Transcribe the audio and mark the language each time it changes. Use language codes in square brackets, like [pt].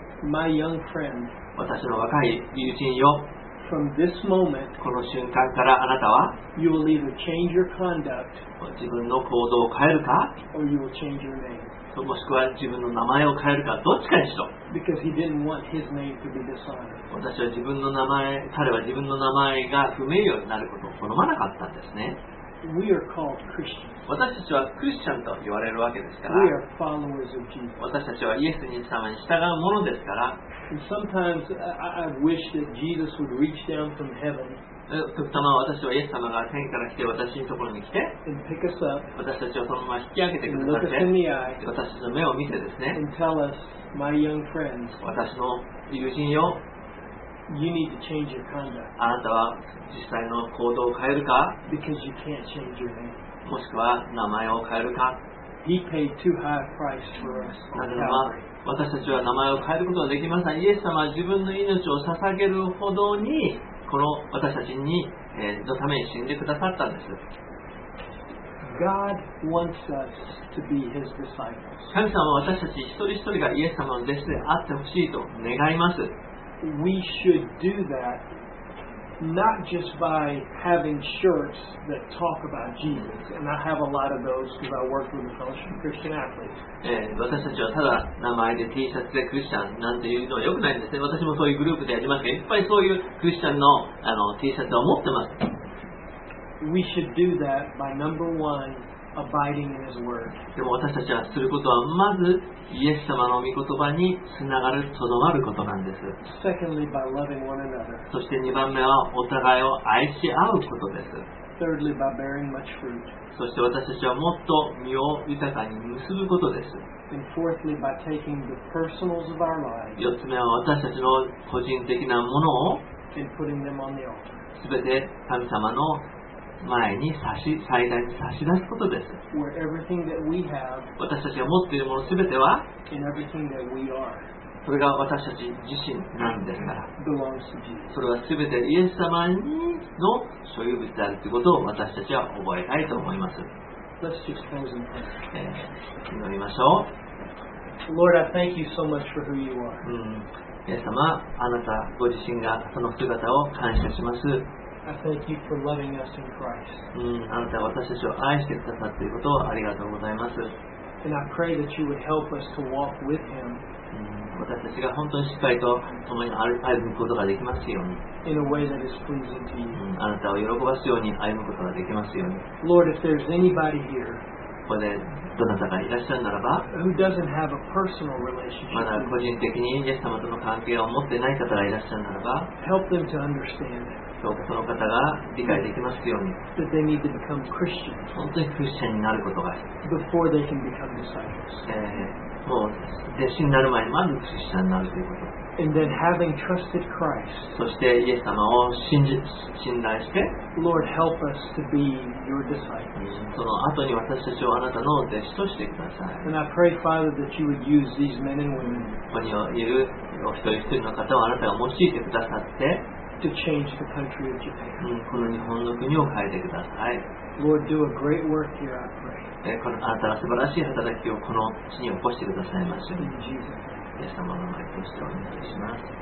[en] My young friend, [ja] 私の若い友人よ、 [en] from this moment, [ja] この瞬間からあなたは、 [en] you will either change your conduct, [ja] 自分の行動を変えるか、 [en] or you will change your name. [ja] もしくは自分の名前を変えるか、どっちかにしろ。 [en] Because he didn't want his name to be dishonored. [ja] 私は自分の名前、彼は自分の名前が不名誉になることを好まなかったんですね。 [en] We are called Christians. [ja] 私たちはクリスチャンと言われるわけですから、私たちはイエス様に従うものですから、時たま私はイエス様が天から来て私のところに来て、私たちをそのまま引き上げてくださって、私たちの目を見てですね、私の友人よ、 [en] You need to change your conduct. [ja] あなたは実際の行動を変えるか、 [en] Because you can't change your name. [ja] もしくは名前を変えるか。 [en] He paid too high a price for us. [ja] なぜなら、私たちは名前を変えることができません。イエス様は自分の命を捧げるほどに、この私たちに、のために死んでくださったんです。 [en] God wants us to be his disciples. [ja] 神様は私たち一人一人がイエス様の弟子であってほしいと願います。 [en] We should do that not just by having shirts that talk about Jesus. And I have a lot of those because I work with a fellowship of Christian athletes. [ja] 私たちはただ名前で T シャツでクリスチャンなんていうのは良くないんですね。私もそういうグループでありますが、いっぱいそういうクリスチャンの、T シャツを持ってます。 [en] We should do that by number one. Abiding in His Word. [ja] でも私たちはすることはまずイエス様の御言葉につながるとどまることなんです。 [en] Secondly, by loving one another. [ja] そして2番目はお互いを愛し合うことです。 [en] Thirdly, by bearing much fruit. [ja] そして私たちはもっと実を豊かに結ぶことです。 [en] And fourthly, by taking the personals of our lives. [ja] 4つ目は私たちの個人的なものを [en] and putting them on the altar. [ja] すべて神様の前に祭壇に差し出すことです。私たちが持っているものすべては、それが私たち自身なんですから、それはすべてイエス様の所有物であるということを私たちは覚えたいと思います。祈りましょう。 [en] Lord, I thank you so much for who you are. [ja] イエス様、あなたご自身がその姿を感謝します。 [en] I thank you for loving us in Christ. [ja] あなたは私たちを愛してくださっていることをありがとうございます。 [en] And I pray that you would help us to walk with him. [ja] 私たちが本当にしっかりと共に歩むことができますように。 [en] In a way that is pleasing to you. [ja] あなたを喜ばすように歩むことができますように。 [en] Lord, if there's anybody here, [ja] ここでどなたがいらっしゃるならば、 [en] who doesn't have a personal relationship, [ja] まだ個人的にイエス様との関係を持っていない方がいらっしゃるならば、 [en] help them to understand it. [ja] その方が理解できますように、本当にクリスチャンになることが [en] before they can become disciples、 [ja] もう弟子になる前にまずクリスチャンになるということ、 [en] and then having trusted Christ、 [ja] そしてイエス様を信頼して [en] Lord help us to be your disciples、 [ja] その後に私たちをあなたの弟子としてください、 [en] and I pray Father that you would use these men and women、 [ja] ここにいるお一人一人の方をあなたが用いてくださって、 [en] To change the country of Japan. [ja] この日本の国を変えてください。 [en] Lord, do a great work here, I pray. [ja] このあなたの素晴らしい働きをこの地に起こしてくださいますように。 [en] In Jesus. [ja] イエス様の名前としてお願いします。